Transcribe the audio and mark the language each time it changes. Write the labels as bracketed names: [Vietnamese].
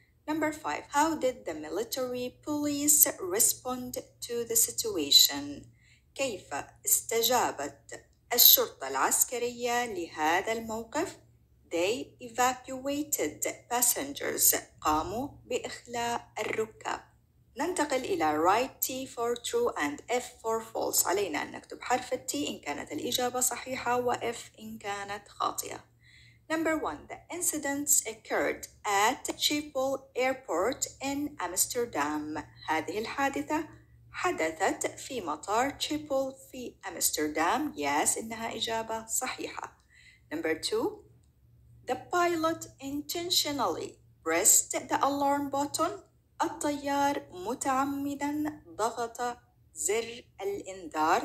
[English] Number five, how did the military police respond to the situation؟ [Arabic] كيف استجابت الشرطة العسكرية لهذا الموقف؟ [English] They evacuated passengers، [Arabic] قاموا بإخلاء الركاب. ننتقل إلى [English] write T for true and F for false. [Arabic] علينا أن نكتب حرف T إن كانت الإجابة صحيحة وF إن كانت خاطئة. [English] Number one, the incidents occurred at Schiphol Airport in Amsterdam. [Arabic] هذه الحادثة حدثت في مطار تشيبول في أمستردام. [English] Yes, [Arabic] إنها إجابة صحيحة. [English] Number two, the pilot intentionally pressed the alarm button. [Arabic] الطيار متعمداً ضغط زر الإنذار.